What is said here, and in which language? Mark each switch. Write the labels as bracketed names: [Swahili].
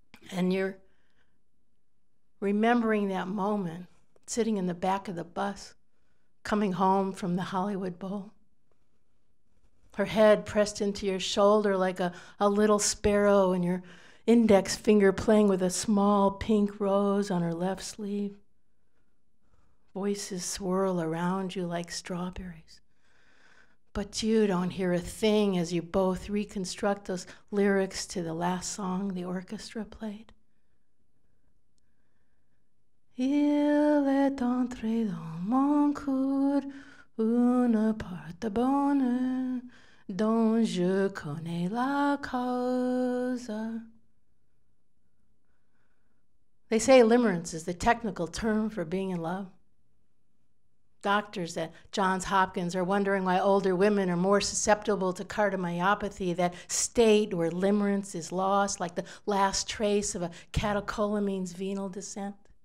[English] And you're remembering that moment, sitting in the back of the bus, coming home from the Hollywood Bowl, her head pressed into your shoulder like a little sparrow, and your index finger playing with a small pink rose on her left sleeve. Voices swirl around you like strawberries, but you don't hear a thing as you both reconstruct those lyrics to the last song the orchestra played. [French] Il est entré dans mon cœur une part de bonheur dont je connais la cause. [English] They say limerence is the technical term for being in love. Doctors at Johns Hopkins are wondering why older women are more susceptible to cardiomyopathy, that state where limerence is lost, like the last trace of a catecholamine's venal descent.